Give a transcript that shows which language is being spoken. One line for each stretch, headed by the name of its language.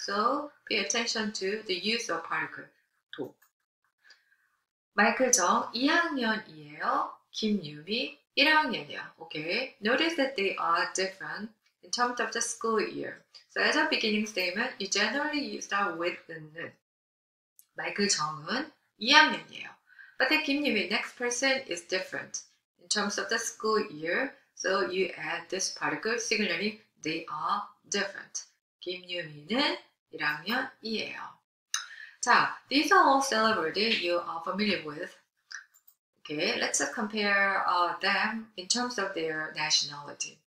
English: So pay attention to the use of particle 도.
Korean: 마이클 정 2학년이에요. 김유미 1학년이야.
English: Okay. Notice that they are different in terms of the school year. So as a beginning statement, you generally start with 는.
Korean: 마이클 정은 2학년이에요.
English: But then 김유미, next person is different in terms of the school year. So you add this particle signaling they are different.
Korean: 김유미는 1학년이에요.
English: 자, these are all syllables you are familiar with. Okay, let's compare them in terms of their nationality.